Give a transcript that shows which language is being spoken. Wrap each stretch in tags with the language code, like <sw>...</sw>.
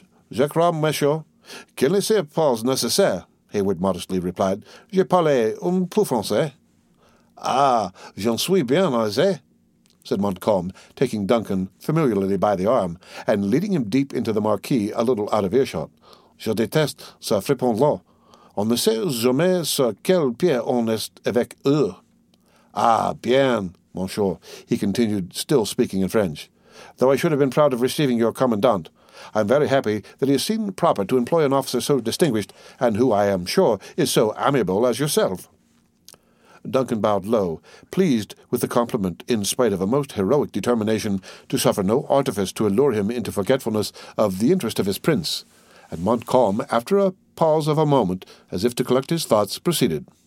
<fr>"Je crois, monsieur, qu'il n'est pas nécessaire," Hayward</fr> <en>modestly replied.</en> <fr>"Je parle un peu français." "Ah, j'en suis bien aisé,"</fr> <en>said Montcalm, taking Duncan familiarly by the arm, and leading him deep into the marquee a little out of earshot.</en> <fr>"Je déteste ce fripon-là. On ne sait jamais sur quel pied on est avec eux." "Ah, bien, monsieur,"</fr> <en>he continued, still speaking in French. "Though I should have been proud of receiving your commandant, I am very happy that he has seen proper to employ an officer so distinguished, and who, I am sure, is so amiable as yourself." Duncan bowed low, pleased with the compliment, in spite of a most heroic determination to suffer no artifice to allure him into forgetfulness of the interest of his prince, and Montcalm, after a pause of a moment, as if to collect his thoughts, proceeded.</en>